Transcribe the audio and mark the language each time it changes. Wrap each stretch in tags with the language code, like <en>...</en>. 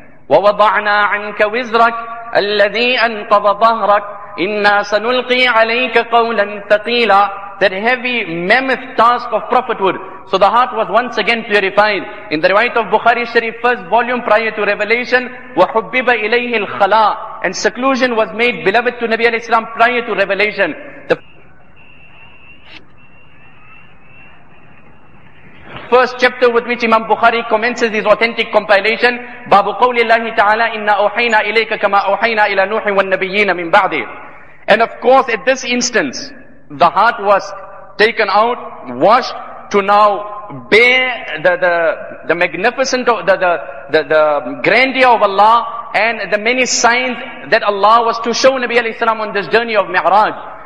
<ar>وَوَضَعْنَا عَنْكَ وِزْرَكَ الَّذِي أَنْقَضَ ظَهْرَكَ إِنَّا سَنُلْقِي عَلَيْكَ قَوْلًا ثَقِيلًا.</ar> <en>That heavy mammoth task of prophethood. So the heart was once again purified. In the riwayat of Bukhari Sharif, first volume prior to revelation,</en> <ar>وَحُبِّبَ إِلَيْهِ الْخَلَىٰ.</ar> <en>And seclusion was made beloved to Nabi alayhi salam prior to revelation. The first chapter with which Imam Bukhari commences his authentic compilation,</en> <ar>بَابُ قَوْلِ اللَّهِ تَعَالَىٰ إِنَّا أُوحَيْنَا إِلَيْكَ كَمَا أُوحَيْنَا إِلَىٰ نُوحٍ وَالنَّبِيِّينَ مِنْ بَعْدِ.</ar> <en>And of course at this instance, the heart was taken out, washed, to now bear the magnificent, the grandeur of Allah and the many signs that Allah was to show Nabi alayhi salam on this journey of Mi'raj.</en>